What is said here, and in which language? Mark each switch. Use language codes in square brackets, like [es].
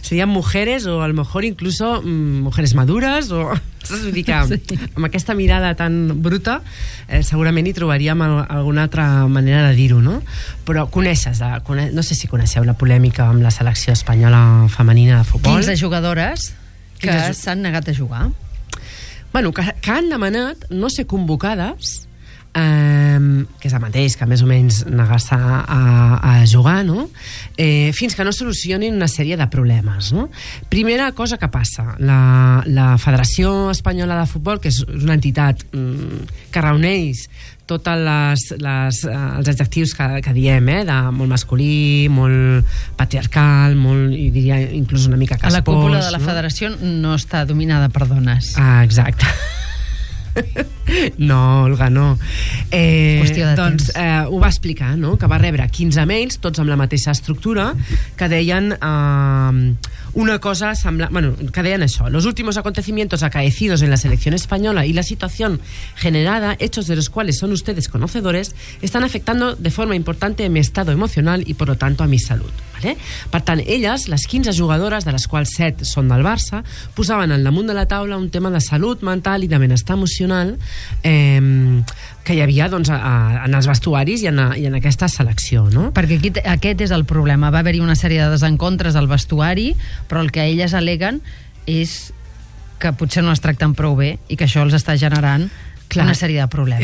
[es] Serían mujeres o a lo mejor incluso mujeres maduras o... [ca] Saps? Vull dir que amb aquesta mirada tan bruta segurament hi trobaríem alguna altra manera de dir-ho, no? Però coneixes, no sé si coneixeu la polèmica amb la selecció espanyola femenina de futbol. 15 jugadores que s'han negat a jugar. Bueno, que han demanat no ser convocades, que és el mateix que més o menys negar-se a jugar, no? Fins que no solucionin una sèrie de problemes, no? Primera cosa que passa, la Federació Espanyola de Futbol, que és una entitat que reuneix totes els adjectius que diem, de molt masculí, molt patriarcal, molt, i diria inclús una mica caspós. A la cúpula de la federació no està dominada per dones. Ah, exacte. No, Olga, no. Hòstia de doncs, temps. Ho va explicar, no? Que va rebre 15 mails, tots amb la mateixa estructura, que deien una cosa semblant... Bueno, que deien això. [es] Los últimos acontecimientos acaecidos en la selección española y la situación generada, hechos de los cuales son ustedes conocedores, están afectando de forma importante a mi estado emocional y, por lo tanto, a mi salud. ¿Vale? [ca] Per tant, elles, les 15 jugadores, de les quals 7 són del Barça, posaven al damunt de la taula un tema de salut mental i de benestar emocional que hi havia doncs, en els vestuaris i en aquesta selecció. No? Perquè aquest és el problema. Va haver-hi una sèrie de desencontres al vestuari, però el que elles aleguen és que potser no les tracten prou bé i que això els està generant... Clar, una sèrie de problemes.